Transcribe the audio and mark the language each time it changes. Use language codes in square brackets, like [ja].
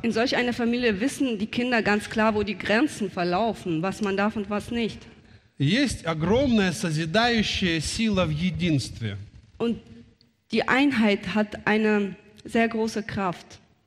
[de] In solch einer Familie wissen die Kinder ganz klar, wo die Grenzen verlaufen, was man darf und was nicht. [ru] Есть огромная созидающая сила в единстве. [de] Und die Einheit hat eine sehr große Kraft.